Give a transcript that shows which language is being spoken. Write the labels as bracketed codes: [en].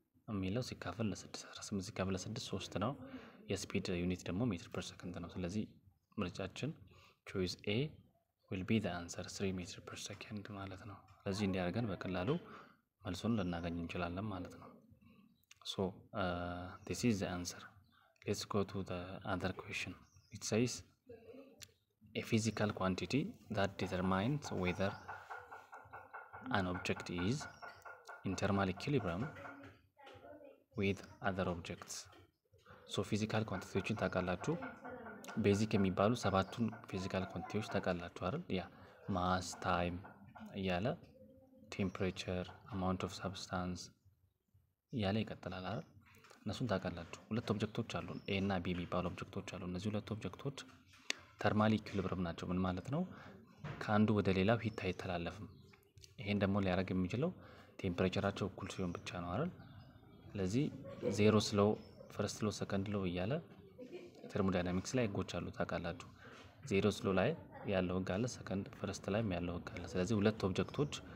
[am] የሚለው ሲካፈል ለ6 18 ሲካፈል ለ6 3 ነው። የስፒድ ዩኒት ደግሞ ሜትር ፐር ሰከንድ ነው። ስለዚህ ምርጫችን ቾይስ ኤ ዊል ቢ ዘ አንሰር 3 ሜትር ፐር ሰከንድ ማለት ነው። ስለዚህ እንዲያርገን በቀላሉ መልሱን ልናገኝ እንችላለን ማለት ነው። ሶ [en] this is the answer. let's go to the other question. it says a physical quantity that determines whether an object is in thermal equilibrium with other objects. so physical quantities [am] ታቃላችሁ [en] basic [am] የሚባሉ ሰባቱን [en] physical quantities ታቃላችሁ አይደል? yeah mass time ያለ temperature amount of substance ያለ [am] ይከተላል አይደል? እነሱን ታቃላችሁ። ሁለት objectsዎች አሉ a እና b የሚባሉ objectsዎች አሉ። እነዚህ ሁለት objectsዎች thermal equilibrium ናቸው። ምን ማለት ነው? ካንዱ ወደ ሌላው heat አይተላለፍም። ይሄን ደግሞ ሊያረግ የሚችለው ቴምፕሬቸራቸው እኩል ሲሆን ብቻ ነው አይደል? ስለዚህ ዜሮ ስሎ ፈርስት ሎ ሰከንድ ሎ እያለ ቴርሞዳይናሚክስ ላይ ህጎች አሉ ታውቃላችሁ። ዜሮ ስሎ ላይ ያለው ህግ አለ፣ ሰከንድ ፈርስት ላይም ያለው ህግ አለ። ስለዚህ ሁለት ኦብጀክቶች